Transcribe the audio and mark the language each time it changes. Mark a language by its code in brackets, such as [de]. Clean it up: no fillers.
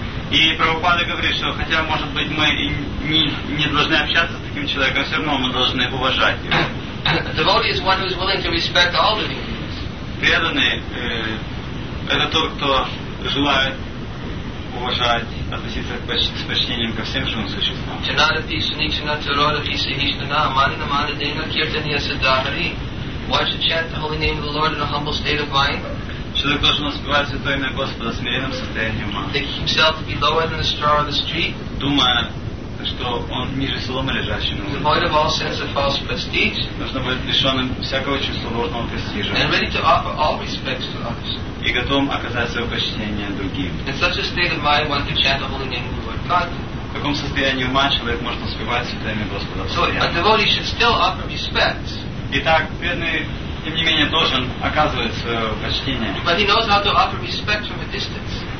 [ru] И Прабхупада говорит, что хотя, может быть, мы и не должны общаться с таким человеком, все равно мы должны уважать его. [en] Devotee is one who is willing to respect all living beings. [ru] Преданный это тот, кто желает уважать, относиться с почтением ко всем живым существам. [sa] Чинарапи, Суничинату, Родапи, Сихишнана, Амана, Мана, Дейна, Киртания, Саддахари. [en] One should chant the holy name of the Lord in a humble state of mind. [ru] Человек должен воспевать Святое имя Господа в смиренном состоянии ума. [en] Thinking himself to be lower than the straw on the street. [ru] Думая, что он ниже соломы лежащей на улице. [en] Devoid of all sense of false prestige. [ru] Нужно быть лишенным всякого чувства ложного престижа. [en] And ready to offer all respects to others. [ru] И готовым оказать свое почтение другим. [en] In such a state of mind, one can chant the holy name of the Lord God. [ru] В каком состоянии ума человек может воспевать Святое имя Господа? [en] So a devotee should still offer respects. [ru] Итак, бедный тем не менее должен оказывать свое почтение. [en] But he knows how to offer respect from a distance.